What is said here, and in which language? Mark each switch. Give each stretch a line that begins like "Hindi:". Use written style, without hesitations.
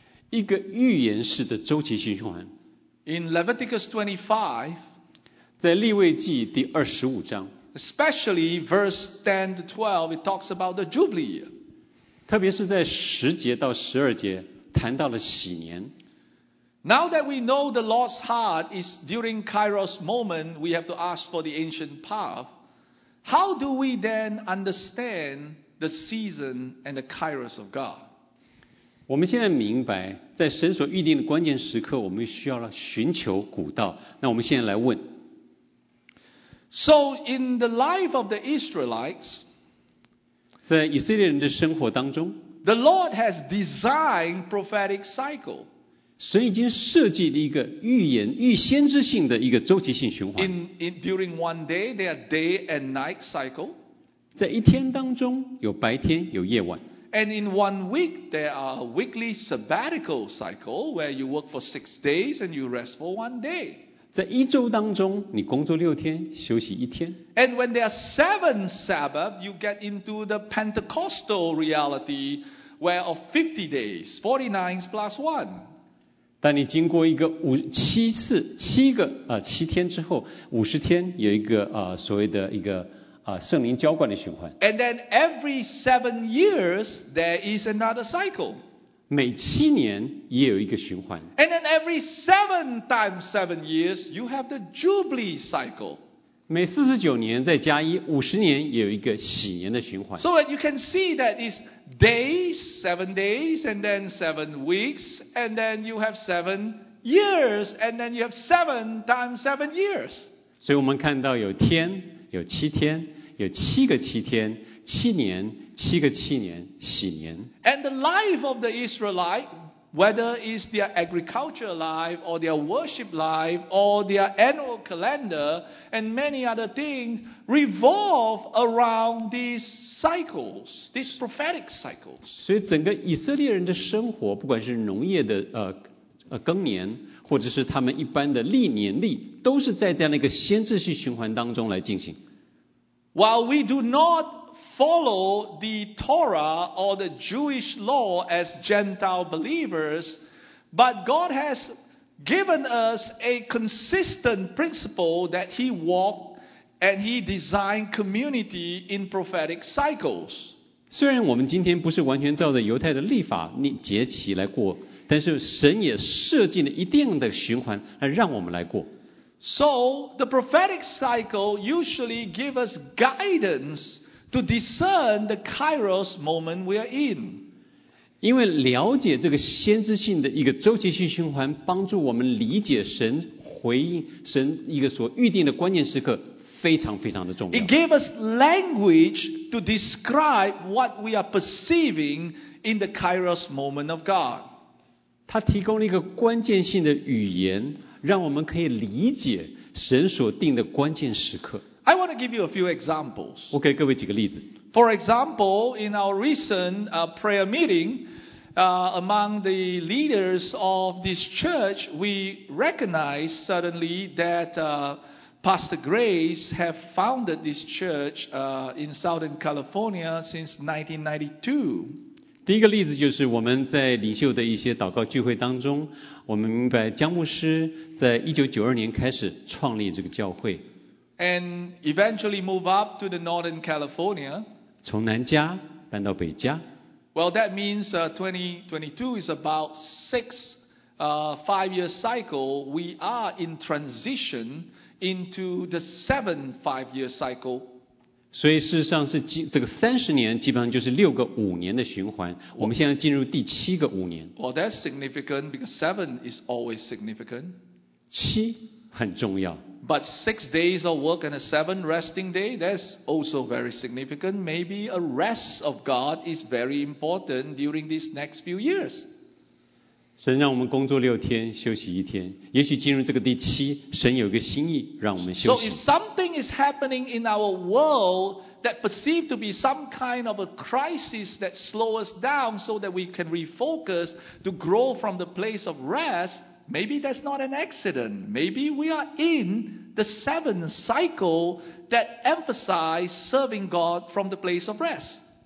Chinese: 一个预言式的周期性循环。
English: In Leviticus 25，
Chinese: 在利未记第二十五章
English: ，especially verse 10 to 12， it talks about the jubilee year。
Chinese: 特别是在十节到十二节谈到了禧年。
English: Now that we know the Lord's heart is during Kairos moment, we have to ask for the ancient path. How do we then understand the season and the Kairos of God?
Chinese: 我们现在明白，在神所预定的关键时刻，我们需要寻求古道。那我们现在来问。
English: So in the life of the Israelites,
Chinese: 在以色列人的生活当中，
English: the Lord has designed prophetic cycle.
Chinese: 神已经设计了一个预言、预先知性的一个周期性循环。
English: During one day, there are day and night cycle.
Chinese: 在一天当中有白天有夜晚。
English: And in one week, there are weekly sabbatical cycle where you work for 6 days and you rest for 1 day.
Chinese: 在一周当中，你工作六天，休息一天。
English: And when there are 7 Sabbath, you get into the Pentecostal reality where of 50 days, 49 plus 1.
Chinese: 当你经过一个七天之后，五十天有一个所谓的一个圣灵浇灌的循环。
English: And then every 7 years there is another cycle.
Chinese: 每七年也有一个循环。
English: And then every 7 times 7 years you have the jubilee cycle.
Chinese: 每49年再加一，50年也有一个禧年的循环。
English: So you can see that is. Days, 7 days, and then 7 weeks, and then you have 7 years, and then you have 7 times 7 years.
Chinese: 所以我们看到有天，有七天，有七个七天，七年，七个七年，禧年。
English: And the life of the Israelite, whether it's their agriculture life, or their worship life, or their annual calendar, and many other things, revolve around these cycles, these prophetic cycles.
Chinese: 所以整个以色列人的生活，不管是农业的耕年，或者是他们一般的历年历，都是在这样的一个先知性循环当中来进行。
English: While we do not follow the Torah or the Jewish law as Gentile believers, but God has given us a consistent principle that He walked and He designed community in prophetic cycles.
Chinese: 虽然我们今天不是完全照着犹太的律法节期来过，但是神也设计了一定的循环来让我们来过。
English: So the prophetic cycle usually gives us guidance. To discern the Kairos moment we are in.
Chinese: 因为了解这个先知性的一个周期性循环，帮助我们理解神回应神一个所预定的关键时刻，非常非常的重要。
English: It gave us language to describe what we are perceiving in the Kairos moment of God.
Chinese: 它提供了一个关键性的语言，让我们可以理解神所定的关键时刻。
English: I want to give you a few examples.
Chinese: 我给各位几个例子。
English: For example, in our recent prayer meeting, among the leaders of this church, we recognized suddenly that Pastor Grace have founded this church in Southern California since 1992.
Chinese: 第一个例子就是我们在领袖的一些祷告聚会当中，我们明白江牧师在1992年开始创立这个教会。
English: And eventually move up to the Northern California.
Chinese: 从南加搬到北加。
English: Well, that means 2022 is about six five-year cycle. We are in transition into the 7 5-year cycle.
Chinese: 所以事实上是这个三十年基本上就是六个五年的循环。我们现在进入第七个五年。
English: Well, that's significant because 7 is always significant.
Chinese: 七很重要。
English: But 6 days of work and a seven resting day, that's also very significant. Maybe a rest of God is very important during these next few years.
Chinese: 神让我们工作六天，休息一天。也许进入这个第七，神有一个心意让我们休息。
English: So if something is happening in our world that perceived to be some kind of a crisis that slows us down so that we can refocus to grow from the place of rest,Maybe that's not an accident. Maybe we are in the seventh cycle that emphasizes serving God from the place of rest.